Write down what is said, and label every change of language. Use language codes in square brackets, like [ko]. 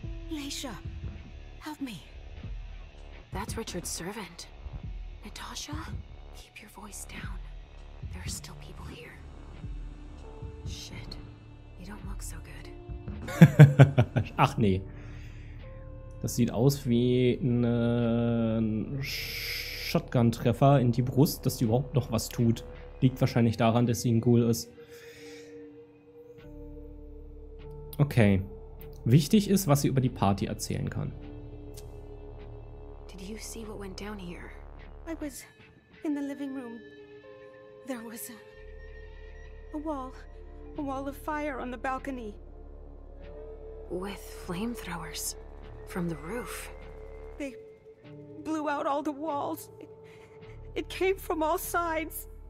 [en] Leisha, help me. That's Richard's servant. Natasha, keep your voice down. There are still people here. Shit, you don't look so good. [de] Ach nee. Das sieht aus wie eine Shotgun-Treffer in die Brust, dass die überhaupt noch was tut. Liegt wahrscheinlich daran, dass sie ein Ghoul ist. Okay. Wichtig ist, was sie über die Party erzählen kann. [en] Did you see what went down here? I was in the living room. There was a wall of fire on the balcony. With flamethrowers from the roof. They blew out all the walls. It came from all sides.